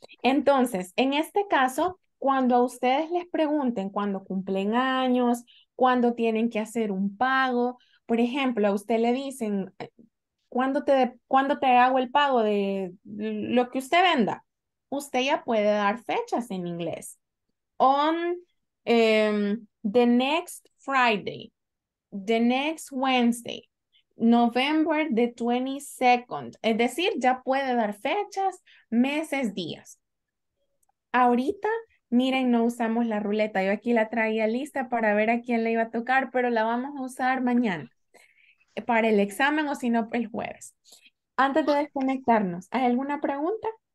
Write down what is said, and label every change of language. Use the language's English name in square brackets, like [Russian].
[Spanish] Entonces, en este caso, cuando a ustedes les pregunten cuando cumplen años, cuando tienen que hacer un pago, por ejemplo, a usted le dicen... ¿Cuándo te hago el pago de lo que usted venda? Usted ya puede dar fechas en inglés. [English] On the next Friday, the next Wednesday, November the 22nd. [Spanish] Es decir, ya puede dar fechas, meses, días. Ahorita, miren, no usamos la ruleta. Yo aquí la traía lista para ver a quién le iba a tocar, pero la vamos a usar mañana. Para el examen o si no, el jueves. Antes de desconectarnos, ¿hay alguna pregunta?